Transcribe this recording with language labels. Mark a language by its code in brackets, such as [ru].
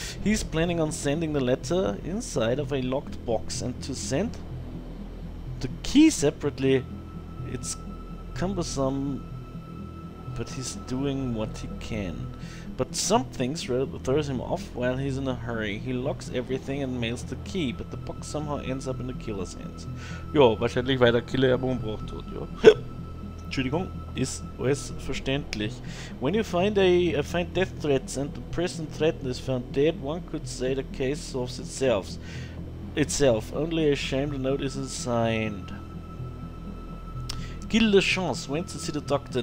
[en] He's planning on sending the letter inside of a locked box and to send the key separately. It's cumbersome, but he's doing what he can. But something's really throws him off while he's in a hurry. He locks everything and mails the key, but the box somehow ends up in the killer's hands. [de] Jo, wahrscheinlich weil der Killer ihn umgebracht hat, jo. Entschuldigung, ist alles verständlich. [en] When you find find death threats and the person threatened is found dead, one could say the case solves itself. Only a shame the note isn't signed. Gil Lachance went to see the doctor.